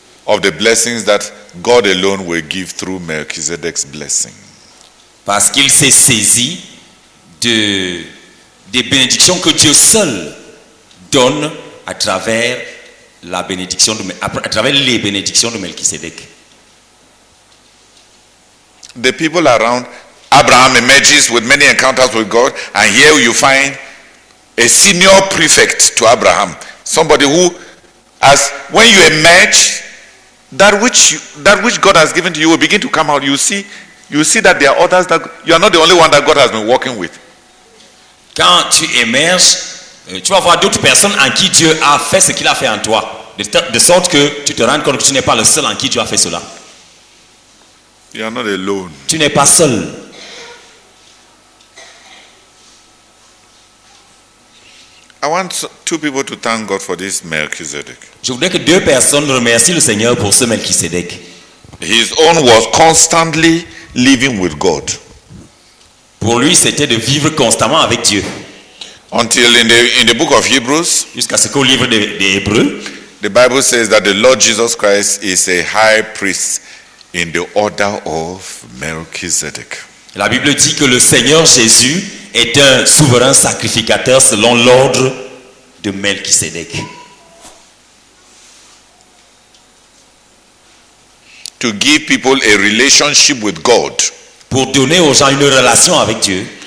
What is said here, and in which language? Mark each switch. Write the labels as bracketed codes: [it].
[en] of the blessings that God alone will give through Melchizedek's blessing. [fr] Parce qu'il s'est saisi de des bénédictions que Dieu seul donne à travers la bénédiction de à travers les bénédictions de Melchizedek. [en] The people around Abraham emerges with many encounters with God, and here you find a senior prefect to Abraham, somebody who, as when you emerge, that which God has given to you will begin to come out. You see that there are others that you are not the only one that God has been working with. [fr] Quand tu émerges, tu vas voir d'autres personnes en qui Dieu a fait ce qu'il a fait en toi, de sorte que tu te rends compte que tu n'es pas le seul en qui Dieu a fait cela. [en] You are not alone. [fr] Tu n'es pas seul. [en] I want two people to thank God for this Melchizedek. [fr] Je voudrais que deux personnes remercient le Seigneur pour ce Melchizedek. [en] His own was constantly living with God. [fr] Pour lui, c'était de vivre constamment avec Dieu. [en] Until in the book of Hebrews, [fr] jusqu'à ce qu'au livre des Hébreux, [en] the Bible says that the Lord Jesus Christ is a high priest in the order of Melchizedek. [fr] La Bible dit que le Seigneur Jésus est un souverain sacrificateur selon l'ordre de Melchizedek. [en] To give people a relationship with God. [fr] Pour donner aux gens une relation avec Dieu.